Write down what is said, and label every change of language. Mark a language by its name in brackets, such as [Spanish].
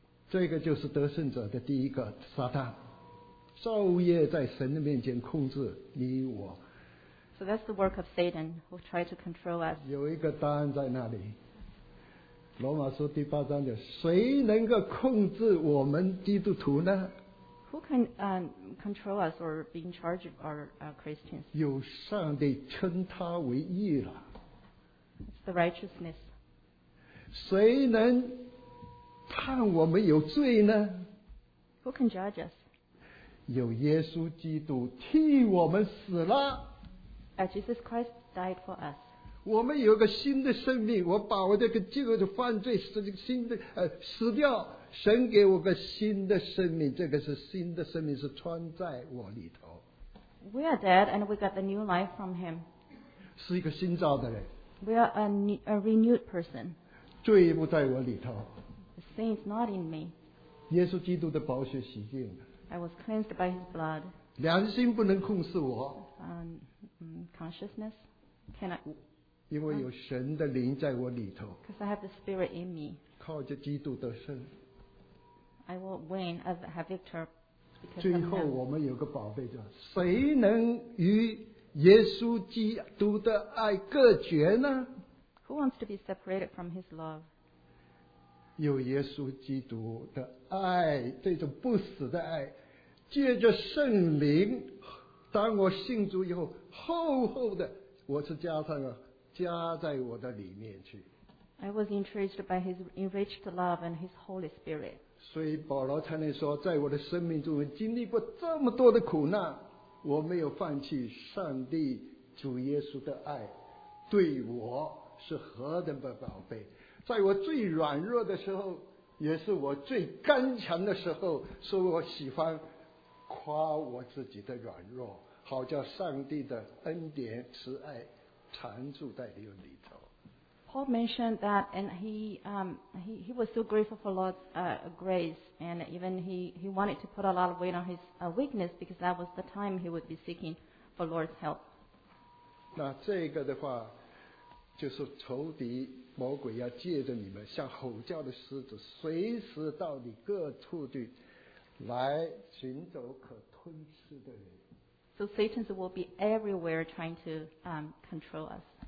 [Chinese] 这个就是得胜者的第一个，撒旦昼夜在神的面前控制你我。 [English] So that's the work of Satan who tried to control us. [Chinese] 有一个答案在那里，罗马书第八章的，谁能够控制我们基督徒呢？ [English] Who can control us or be in charge of our Christians? [Chinese] 有上帝称他为义了。 [English] It's the righteousness. [Chinese] 谁能判我们有罪呢？ [English] Who can judge us? [Chinese] 有耶稣基督替我们死了。 [English] Jesus Christ died for us. [Chinese] 我们有个新的生命，我把我这个旧的犯罪死掉，神给我个新的生命，这个是新的生命，是穿在我里头。 [English] We are dead and we got the new life from him. [Chinese] 是一个新造的人。 [English] We are a renewed person. [Chinese] 罪不在我里头。 [English] Sin is not in me. [Chinese] 耶稣基督的宝血洗净了。 [English] I was cleansed by His blood. [Chinese] 良心不能控制我。 [English] Consciousness cannot. [Chinese] 因为有神的灵在我里头。 [English] Because I have the Spirit in me. [Chinese] 靠着基督得胜。 [English] I will win. I have victory. [Chinese] 最后我们有个宝贝叫，谁能与耶稣基督的爱隔绝呢？ [English] Who wants to be separated from His love? [Chinese] 有耶稣基督的爱，这种不死的爱，借着圣灵，当我信主以后，厚厚的，我是加上了，加在我的里面去。 [English] I was intrigued by His enriched love and His Holy Spirit. [Chinese] 所以保罗才能说，在我的生命中经历过这么多的苦难，我没有放弃上帝主耶稣的爱，对我是何等的宝贝。在我最软弱的时候，也是我最刚强的时候，所以我喜欢夸我自己的软弱，好叫上帝的恩典慈爱常住在里头。 [English] Paul mentioned that, and he was so grateful for Lord's grace, and even he wanted to put a lot of weight on his weakness because that was the time he would be seeking for Lord's help. [Chinese] 那这个的话, 就是仇敌, 魔鬼要借着你们像吼叫的狮子, 随时到你各处去, 来寻找可吞噬的人。 [English] So Satan will be everywhere trying to control us.